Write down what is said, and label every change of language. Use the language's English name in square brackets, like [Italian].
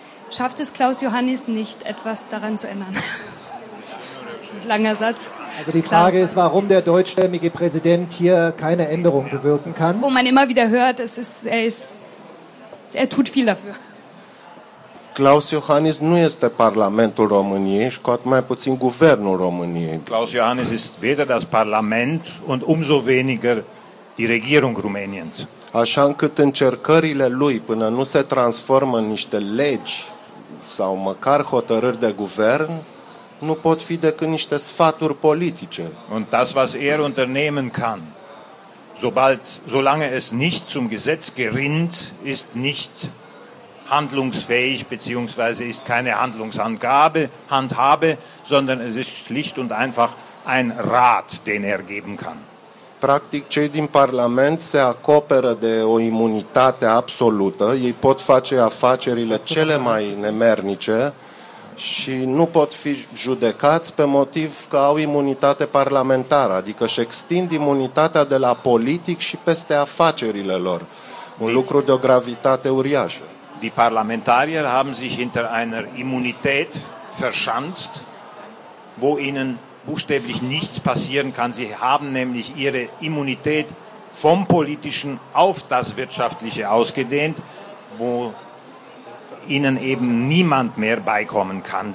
[German] Schafft es Klaus Johannis nicht, etwas daran zu ändern? Langer Satz. Also die Frage ist, warum der deutschstämmige Präsident hier keine Änderung bewirken kann. Wo man immer wieder hört, er tut viel dafür. [Romanian] Klaus Iohannis nu este Parlamentul României, și cu atât mai puțin Guvernul României. [German] Klaus Iohannis ist weder das Parlament und umso weniger die Regierung Rumäniens. [Romanian] Așa încât încercările lui până nu se transformă în niște legi sau măcar hotărâri de guvern, nu pot fi decât niște sfaturi politice. [German] Und das, was unternehmen kann, solange es nicht zum Gesetz gerinnt, ist nicht handlungsfähig, beziehungsweise ist keine Handhabe, sondern es ist schlicht und einfach ein Rat, den geben kann. [Romanian] Practic, cei din Parlament se acoperă de o imunitate absolută, ei pot face afacerile cele mai nemernice, și nu pot fi judecați pe motiv că au imunitate parlamentară, adică își extind imunitatea de la politic și peste afacerile lor. Un lucru de o gravitate uriașă. [German] Die Parlamentarier haben sich hinter einer Immunität verschanzt, wo ihnen buchstäblich nichts passieren kann. Sie haben nämlich ihre Immunität vom politischen auf das wirtschaftliche ausgedehnt, wo ihnen eben niemand mehr beikommen kann.